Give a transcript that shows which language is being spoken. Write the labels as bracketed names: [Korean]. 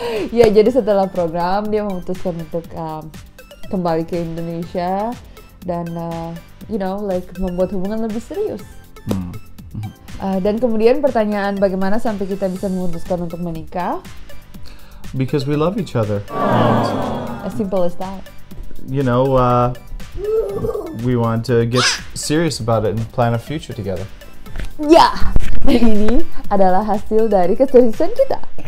[Indonesian] Ya, jadi setelah program dia memutuskan untuk kembali ke Indonesia dan [English] you know like [Indonesian] membuat hubungan lebih serius. Dan kemudian pertanyaan bagaimana sampai kita bisa memutuskan untuk menikah? [English] Because we love each other. As simple as that. You know, we want to get serious about it and plan a future together. [Indonesian] Yeah, dan ini adalah hasil dari keseriusan kita.